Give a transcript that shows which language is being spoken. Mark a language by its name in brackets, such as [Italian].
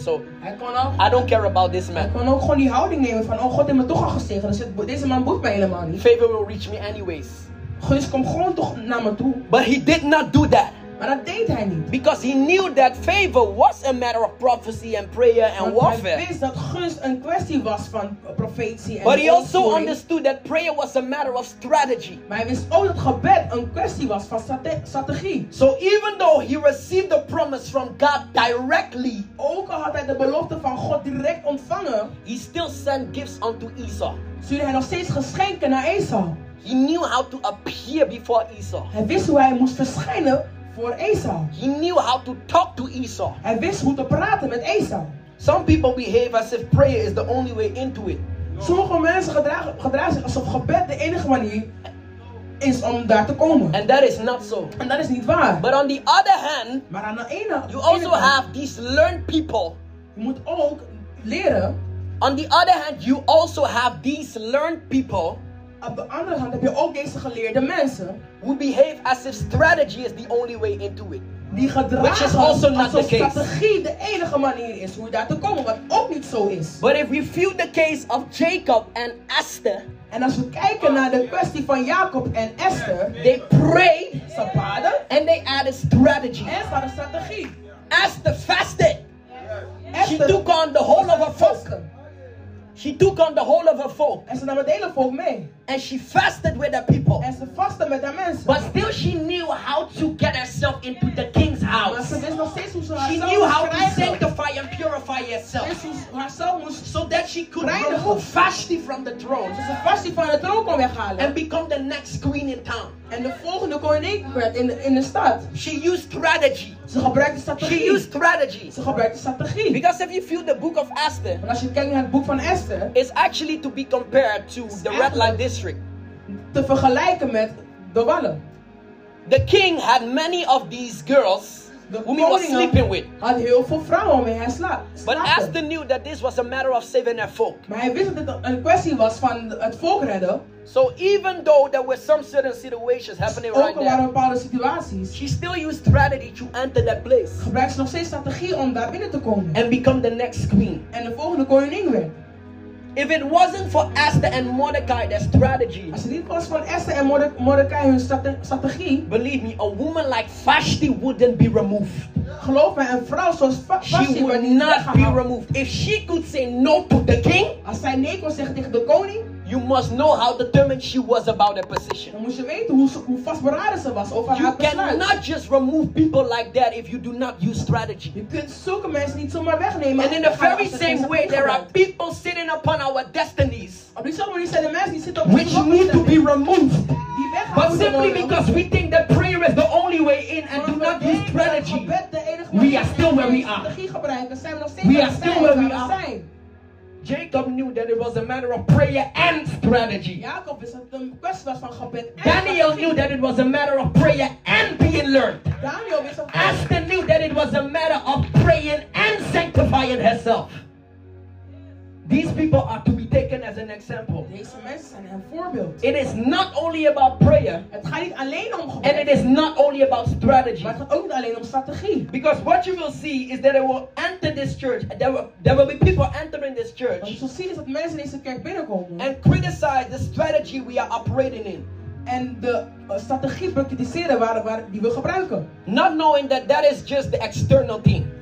[English] So I don't care about this man. [Dutch] Hij kon ook gewoon die houding nemen van, oh God heeft me toch al gezegend. Dus deze man boeit mij helemaal niet. [English] Favor will reach me anyways. [Dutch] Gunst komt gewoon toch naar me toe. [English] But he did not do that. [Dutch] Maar dat deed hij niet. [English] Because he knew that favor was a matter of prophecy and prayer and warfare. [Dutch] Want hij wist dat gunst een kwestie was van profetie en [English] but he also understood that prayer was a matter of strategy. [Dutch] Maar hij wist ook dat gebed een kwestie was van strategie. [English] So even though he received the promise from God directly. [Dutch] Ook al had hij de belofte van God direct ontvangen. [English] He still sent gifts unto Esau. [Dutch] Stuurde hij nog steeds geschenken naar Esau. [English] He knew how to appear before Esau. [Dutch] Hij wist hoe hij moest verschijnen. Voor Esau. [English] He knew how to talk to Esau. [Dutch] Hij wist hoe te praten met Esau. [English] Some people behave as if prayer is the only way into it. No. [Dutch] Sommige mensen gedragen zich alsof gebed de enige manier is om daar te komen. [English] And that is not so. [Dutch] En dat is niet waar. [English] But on the other hand, [Dutch] maar aan de ene [English] you also have these learned people. [Dutch] Je moet ook leren. [English] On the other hand, you also have these learned people. [Dutch] Op de andere hand heb je ook deze geleerde mensen. [English] Who behave as if strategy is the only way into it. [Dutch] Die gedragen alsof strategie de enige manier is hoe je daar te komen, wat ook niet zo is. [English] But if we view the case of Jacob and Esther. [Dutch] En als we kijken naar de kwestie van Jacob en Esther. [English] They prayed. [Dutch] Ze baden. [English] And they added strategy. [Dutch] En ze hadden strategie. [English] Esther fasted. Yes. She took on the whole of her folk. She took on the whole of her folk. [Dutch] En ze nam het hele volk mee. [English] And she fasted with her people. [Dutch] En ze vastte met haar mensen. [English] But still she knew how to get herself into the king's house. [Dutch] Maar ze wist nog steeds hoe ze [English] she knew how to sanctify and purify herself. So that she could remove Vashti from the throne. [Dutch] Dus ze Vashti van de troon kon weghalen. [English] And become the next queen in town. [Dutch] En de volgende koningin werd in de stad. [English] She used strategy. [Dutch] Ze gebruikte strategie. [English] She used strategy. [Dutch] Ze gebruikte strategie. [English] Because if you feel the book of Esther. [Dutch] Want als je kijkt naar het boek van Esther. [English] It's actually to be compared to the red light district. [Dutch] Te vergelijken met de wallen. [English] The king had many of these girls. Whom he was sleeping with. [Dutch] Had heel veel vrouwen waarmee hij slaapt. [English] But Esther knew that this was a matter of saving her folk. [Dutch] Maar hij wist dat het een kwestie was van het volk redden. [English] So even though there were some certain situations happening [Dutch] ook [English] right [Dutch] there. Ook waren bepaalde situaties. [English] She still used strategy to enter that place. [Dutch] Gebruikte nog steeds strategie om daar binnen te komen. [English] And become the next queen. [Dutch] En de volgende koningin werd. [English] If it wasn't for Esther and Mordecai, their strategy. [Dutch] Als het niet was voor Esther en Mordecai hun strategie. [English] Believe me, a woman like Vashti wouldn't be removed. [Dutch] Geloof me, een vrouw zoals Vashti [English] she would not be removed. If she could say no to the king. [Dutch] Als zij nee kon zeggen tegen de koning. [English] You must know how determined she was about her position. [Dutch] Dan moet je weten hoe vastberaden ze was over [English] you [Dutch] haar besluit. [English] You cannot just remove people like that if you do not use strategy. [Dutch] Je kunt zulke mensen niet zomaar wegnemen. [English] And in the very same way, there are people sitting upon our destinies. [Dutch] Op diezelfde manier zijn de mensen die zitten op [English] which need to be removed. [Dutch] Die [English] but simply because we think that prayer is the only way in and do not use strategy. We are still where we are. We are still where we are. Jacob knew that it was a matter of prayer and strategy. [Dutch] Jacob wist dat het een kwestie was van gebed. [English] Daniel knew that it was a matter of prayer and being learned. [Dutch] Daniel wist dat. [English] Esther knew that it was a matter of praying and sanctifying herself. These people are to be taken as an example. [Dutch] Deze mensen zijn een voorbeeld. [English] It is not only about prayer. [Dutch] Het gaat niet alleen om gebed. [English] And it is not only about strategy. [Dutch] Maar het gaat ook niet alleen om strategie. [English] Because what you will see is that it will enter this church. There will be people entering this church. [Dutch] Wat je zult zien is dat mensen deze kerk binnenkomen. [English] And criticize the strategy we are operating in. [Dutch] En de strategie bekritiseren waar die we gebruiken. [English] Not knowing that that is just the external thing.